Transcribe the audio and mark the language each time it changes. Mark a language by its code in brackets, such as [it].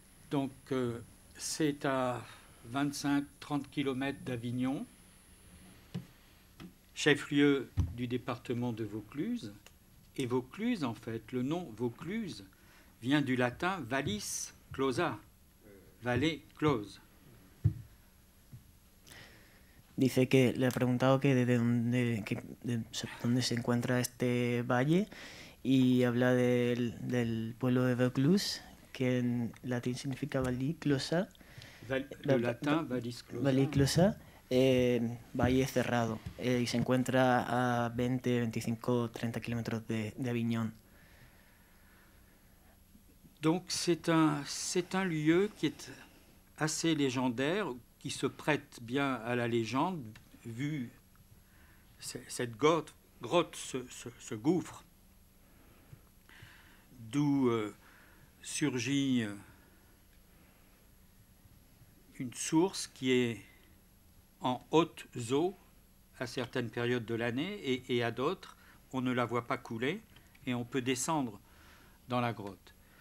[fr] Donc, c'est à 25-30 km d'Avignon, chef-lieu du département de Vaucluse. Et Vaucluse, en fait, le nom Vaucluse vient du latin valis closa, vallée close. [es] Dice que le ha preguntado que desde dónde, que, de dónde se encuentra este valle y habla del pueblo de Vaucluse, que en latín significa valiclosa. Valiclosa, valle cerrado, y se encuentra a 20, 25, 30 kilómetros de Aviñón. [fr] Donc c'est un lieu qui est assez légendaire, qui se prête bien à la légende, vu cette grotte, ce gouffre, d'où surgit une source qui est en haute eau à certaines périodes de l'année, et à d'autres, on ne la voit pas couler, et on peut descendre dans la grotte.